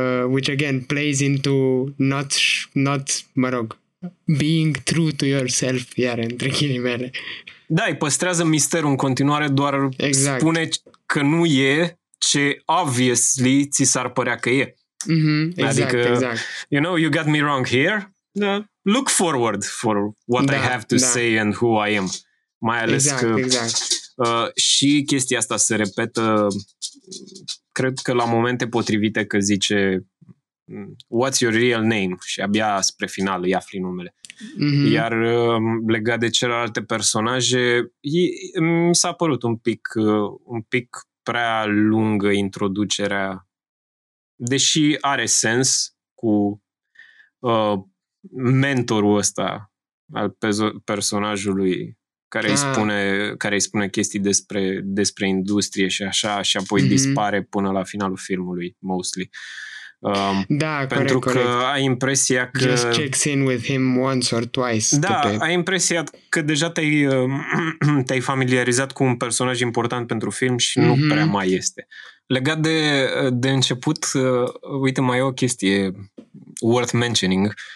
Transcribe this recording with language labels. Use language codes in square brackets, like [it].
[en] Which again plays into not, [ro] mă rog, [en] being true to yourself, [ro] iar între ghilimele. Da, îi păstrează misterul în continuare, doar exact. Spune că nu e ce obviously ți s-ar părea că e. Mm-hmm. [en] You know, you got me wrong here. [ro] Da. [en] Look forward for what I have to say and who I am. [ro] Mai ales și chestia asta se repetă, cred că la momente potrivite, că zice... [en] What's your real name? [ro] Și abia spre final îi afli numele. Mm-hmm. Iar legat de celelalte personaje, mi s-a părut un pic prea lungă introducerea. Deși are sens cu mentorul ăsta al personajului care îi spune chestii despre industrie și așa, și apoi dispare până la finalul filmului, mostly. Pentru că ai impresia că... [en] Just checks in with him once or twice. [ro] Da, ai impresia că deja te-ai familiarizat cu un personaj important pentru film și nu prea mai este. Legat de început, uite, mai e o chestie [en] worth mentioning.